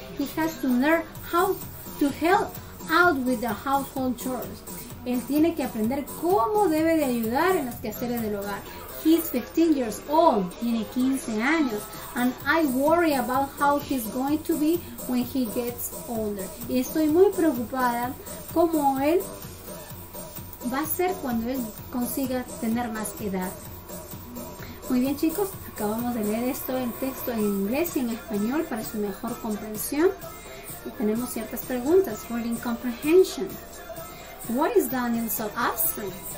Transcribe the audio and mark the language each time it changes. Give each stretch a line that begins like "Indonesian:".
English: He has to learn how to help out with the household chores.
Spanish: Él tiene que aprender cómo debe de ayudar en los quehaceres del hogar.
English: He's 15 years old.
Spanish: Tiene 15 años.
English: And I worry about how he's going to be when he gets older.
Spanish: Y estoy muy preocupada cómo él va a ser cuando él consiga tener más edad. Muy bien, chicos. acabamos de leer esto, el texto en inglés y en español para su mejor comprensión. Y tenemos ciertas preguntas.
English: Reading comprehension. Why is Daniel so absent?